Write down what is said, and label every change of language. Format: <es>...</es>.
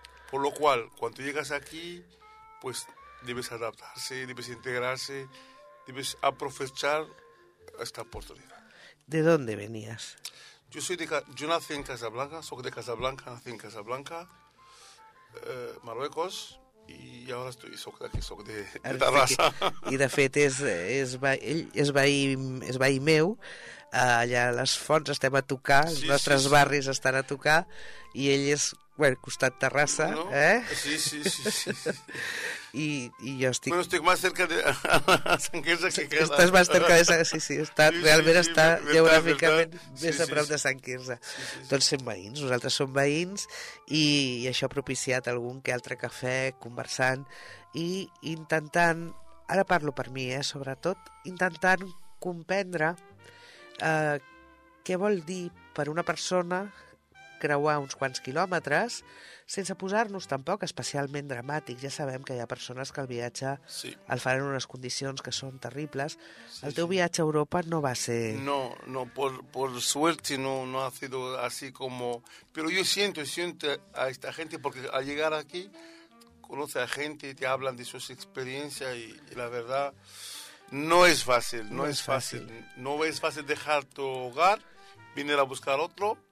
<es>Por lo cual, cuando llegas aquí, pues debes adaptarse, debes integrarse, debes aprovechar esta oportunidad. ¿De dónde venías? Yo nací en Casablanca, soy de Casablanca, nací en Casablanca, Marruecos, y ahora soy aquí, soy de Tarrasa.</es> <ca>I de fet, és veí meu, allà a les fonts estem a tocar, els nostres barris estan a tocar, i ell és, bueno, costat Terrassa, no? Sí, sí, sí, sí. I jo estic... Bueno, estic més cerca de la Sanquesa que queda. Estàs més cerca de Sanquesa, sí, sí. Està geogràficament més a prop de Sanquesa. Sí, sí. Tots som veïns, nosaltres som veïns, i això ha propiciat algun que altre cafè, conversant, i intentant, ara parlo per mi, sobretot, intentant comprendre què vol dir per una persona creuar uns quants quilòmetres sense posar-nos tampoc especialment dramàtics. Ja sabem que hi ha persones que el viatge el faran en unes condicions que són terribles. Sí, el teu viatge a Europa no va ser...</ca> <es>No, por suerte no ha sido así como... Pero yo siento a esta gente porque al llegar aquí conoce a gente y te hablan de sus experiencias y la verdad no es fácil. No es fácil dejar tu hogar, venir a buscar otro.</es>